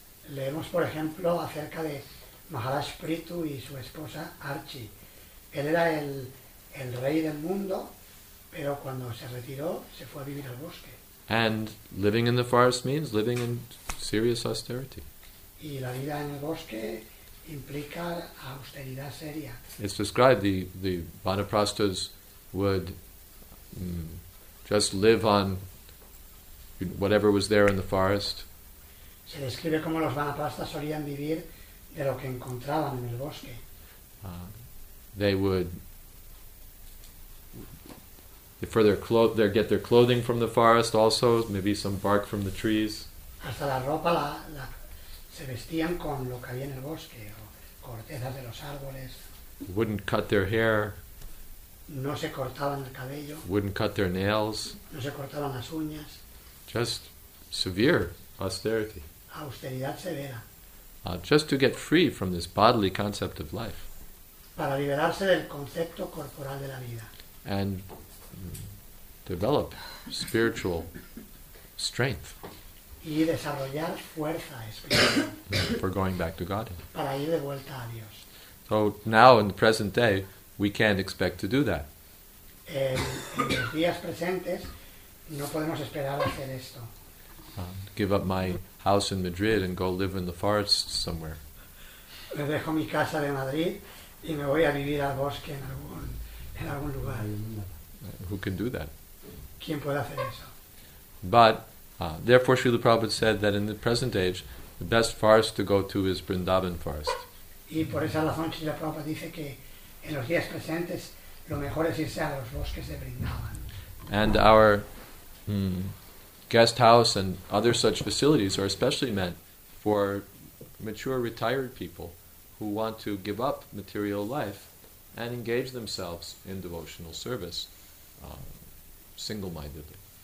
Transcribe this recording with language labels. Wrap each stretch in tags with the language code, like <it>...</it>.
<es>Leemos, por ejemplo, acerca de Maharaj Prithu y su esposa Archie. Él era el rey del mundo, pero cuando se retiró, se fue a vivir al bosque.</es> <en>And living in the forest means living in serious austerity.</en> <es>Y la vida en el bosque implica austeridad seria.</es> <en>It's described the vanaprastas would just live on whatever was there in the forest.</en> <es>Se describe como los vanaprastas solían vivir de lo que encontraban en el bosque.</es> <en>They would for their they get their clothing from the forest also, maybe some bark from the trees.</en> <es>Hasta la ropa se vestían con lo que había en el bosque, o cortezas de los árboles.</es> <en>Wouldn't cut their hair.</en> <es>No se cortaban el cabello.</es> <en>Wouldn't cut their nails.</en> <es>No se cortaban las uñas.</es> <en>Just severe austerity.</en> <es>Austeridad severa.</es> <en>Just to get free from this bodily concept of life.</en> <es>Para liberarse del concepto corporal de la vida.</es> <en>And develop spiritual strength.</en> <es>Y desarrollar fuerza espiritual.</es> <en>For going back to Godhead.</en> <es>Para ir de vuelta a Dios.</es> <en>So now in the present day, we can't expect to do that.</en> <es>En los días presentes, no podemos esperar hacer esto.</es> <en>Give up my house in Madrid and go live in the forest somewhere.</en> <es>Me dejo mi casa de Madrid y me voy a vivir al bosque en algún lugar.</es> <en>Who can do that?</en> <es>¿Quién puede hacer eso?</es> <en>But therefore, Srila Prabhupada said that in the present age, the best forest to go to is Vrindavan forest.</en> <es>Y por esa razón, Srila Prabhupada dice que en los días presentes lo mejor es irse a los bosques de Vrindavan.</es> <en>And our guest house and other such facilities are especially meant for mature retired people who want to give up material life and engage themselves in devotional service single-mindedly.</en>